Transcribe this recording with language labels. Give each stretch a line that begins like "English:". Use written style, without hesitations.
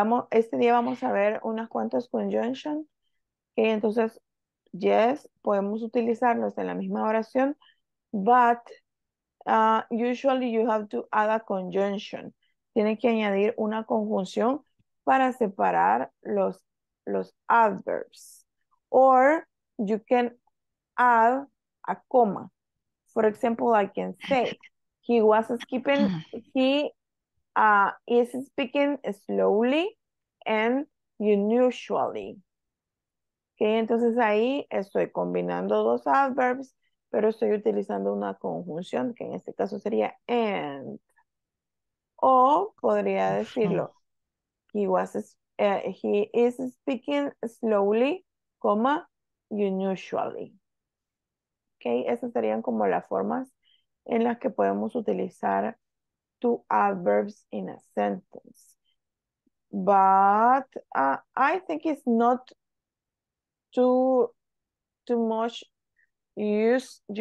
Spanish: Este día vamos a ver unas cuantas conjunctions. Okay, entonces, yes, podemos utilizarlos en la misma oración.
English: But usually you have to add a conjunction.
Spanish: Tienen que añadir una conjunción para separar los adverbs.
English: Or you can add a comma. For example, I can say he is speaking slowly and unusually.
Spanish: Okay, entonces ahí estoy combinando dos adverbs, pero estoy utilizando una conjunción que en este caso sería and. O podría decirlo,
English: he is speaking slowly, comma, unusually.
Spanish: Okay, esas serían como las formas en las que podemos utilizar
English: two adverbs in a sentence. But I think it's not too much use.